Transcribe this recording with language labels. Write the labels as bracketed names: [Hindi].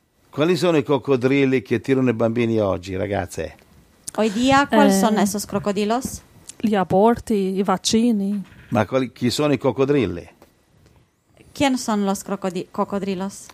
[Italian] Quali sono i coccodrilli che tirano i bambini oggi, ragazze? [Spanish] Hoy día, ¿cuáles son esos crocodilos? [Italian] Gli aborti, i vaccini. Ma chi sono i coccodrilli? [Spanish] ¿Quién son los cocodrilos?